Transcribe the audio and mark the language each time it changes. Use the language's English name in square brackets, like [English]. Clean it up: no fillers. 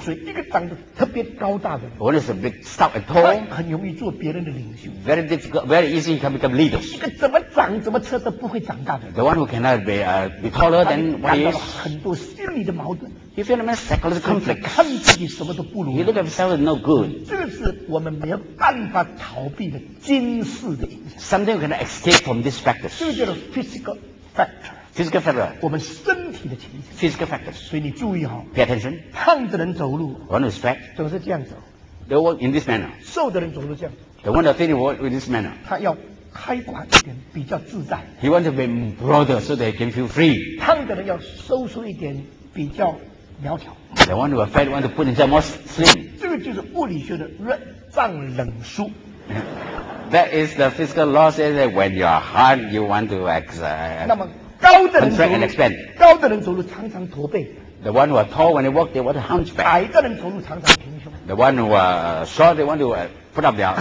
[Chinese] 所以一个长得特别高大的。 [English] One is a big, stout and tall. [Chinese] 他很容易做别人的领袖。 [English] Very difficult, very easy he can become leaders. [Chinese] 一个怎么长怎么吃都不会长大的。 [English] The one who cannot be, be taller than what he is. [Chinese] 他感到很多心理的矛盾。 [English] He feel himself psychological conflict. [Chinese] 看自己什么都不如。 [English] He look at himself as no good. [Chinese] 这个是我们没有办法逃避的今世的影响。 [English] Something we cannot escape from this factor. [Chinese] 这个叫做 [English] physical factor. Physical factor. [Chinese] 我们身体的情形。 [English] Physical factor. [Chinese] 所以你注意哦。 [English] Pay attention. [Chinese] 胖的人走路。 [English] One is fat. [Chinese] 总是这样走。 [English] They walk in this manner. [Chinese] 瘦的人走路这样。 [English] The one that thin walk in this manner. [Chinese] 他要开阔一点，比较自在。 [English] He want to be broader so that he can feel free. [Chinese] 胖的人要收缩一点，比较苗条。 [English] The one who are fat want to put himself more slim. [Chinese] 这个就是物理学的热胀冷缩。 [English] That is the physical law says that when you are hot, you want to contract and expand. [Chinese] 高的人走路常常驼背。 [English] The one who are tall when they walk, they want to hunchback. [Chinese] 矮的人走路常常平胸。 [English] The one who are short, they want to put up their chest.